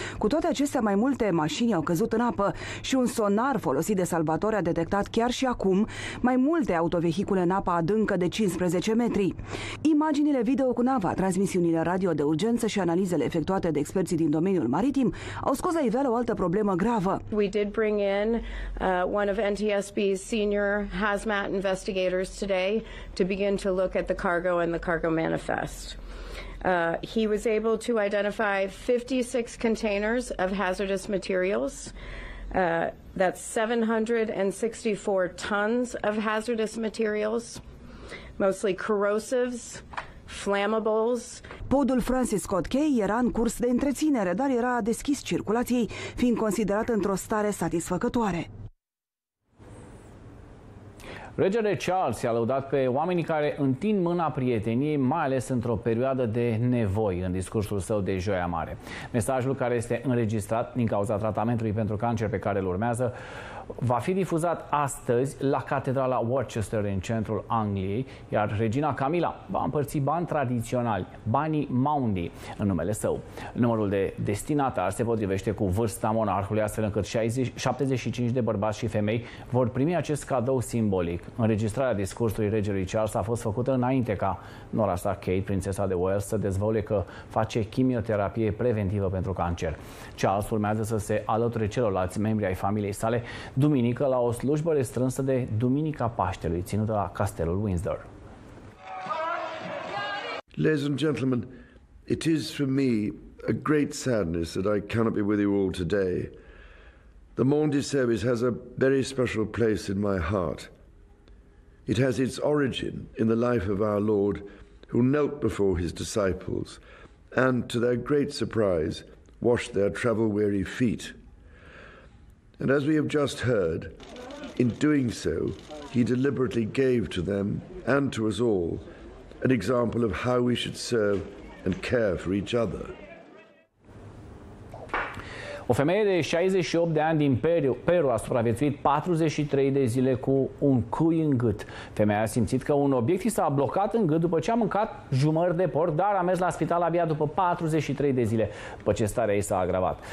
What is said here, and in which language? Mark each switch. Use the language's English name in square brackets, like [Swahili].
[Romanian] Cu toate acestea, mai multe mașini au căzut în apă și un sonar folosit de salvatori a detectat chiar și acum mai multe autovehicule în apă adâncă de 15 metri. Imaginile video cu nava, transmisiunile radio de urgență și analizele efectuate de experții din domeniul maritim au scos la iveală o altă problemă gravă. [English] We did bring in one of NTSB's senior hazmat investigators today to begin to look at the cargo and the cargo manifest. He was able to identify 56 containers of hazardous materials. That's 764 tons of hazardous materials, mostly corrosives, flammables. [Romanian] Podul Francis Scott Key era în curs de întreținere, dar era deschis circulației, fiind considerat într-o stare satisfăcătoare. Regele Charles i-a lăudat pe oamenii care întind mâna prieteniei, mai ales într-o perioadă de nevoi, în discursul său de Joia Mare. Mesajul, care este înregistrat din cauza tratamentului pentru cancer pe care îl urmează, va fi difuzat astăzi la Catedrala Worcester, în centrul Angliei, iar regina Camila va împărți bani tradiționali, banii Maundy, în numele său. Numărul de destinatar se potrivește cu vârsta monarhului, astfel încât 75 de bărbați și femei vor primi acest cadou simbolic. Înregistrarea discursului regelui Charles a fost făcută înainte ca nora sa Kate, prințesa de Wales, să dezvăluie că face chimioterapie preventivă pentru cancer. Charles urmează să se alăture celorlalți membri ai familiei sale duminică la o slujbă restrânsă de Duminica Paștelui, ținută la Castelul Windsor. [English] Ladies and gentlemen, it is for me a great sadness that I cannot be with you all today. The Maundy service has a very special place in my heart. It has its origin in the life of our Lord, who knelt before his disciples and, to their great surprise, washed their travel-weary feet. And as we have just heard, in doing so, he deliberately gave to them and to us all an example of how we should serve and care for each other. [Romanian] O femeie de 68 de ani din Peru a supraviețuit 43 de zile cu un cui în gât. Femeia a simțit că un obiect i s-a blocat în gât după ce a mâncat jumări de porc, dar a mers la spital abia după 43 de zile, după ce starea ei s-a agravat.